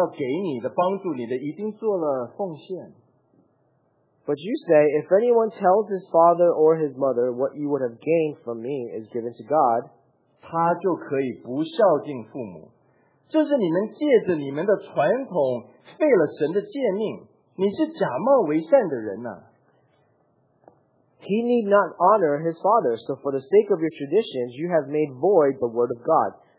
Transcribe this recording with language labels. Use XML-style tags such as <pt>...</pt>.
<zh>你们倒说,无论什么人对父母说,我应该要奉给你的,我要给你的,帮助你的,已经做了奉献。</zh> <en>But you say, if anyone tells his father or his mother, what you would have gained from me is given to God,</en> <zh>他就可以不孝敬父母。这是你们借着你们的传统废了神的诫命。你是假冒为善的人啊。He</zh> <en>need not honor his father, so for the sake of your traditions, you have made void the word of God.</en>